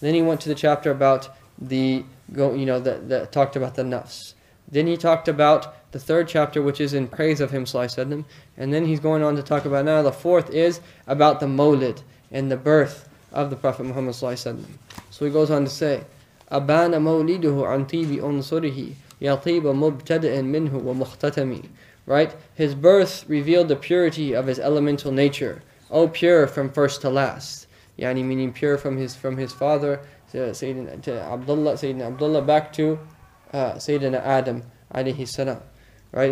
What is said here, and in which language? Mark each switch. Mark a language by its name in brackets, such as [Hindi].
[English] Then he went to the chapter about the, you know, that talked about the nafs. Then he talked about the third chapter, which is in praise of him, Sallallahu Alaihi Wasallam. And then he's going on to talk about now the fourth is about the mawlid and the birth of the Prophet Muhammad Sallallahu Alaihi Wasallam. So he goes on to say, [Arabic] أَبَانَ مَوْلِدُهُ عَنْ تِيبِ أُنصُرِهِ يَطِيبَ مُبْتَدَئًا مِنْهُ وَمُخْتَتَمِ. [English] Right? His birth revealed the purity of his elemental nature. O pure from first to last. Yani meaning pure from his father, Sayyidina Abdullah, back to Sayyidina Adam, alayhi salam. Right?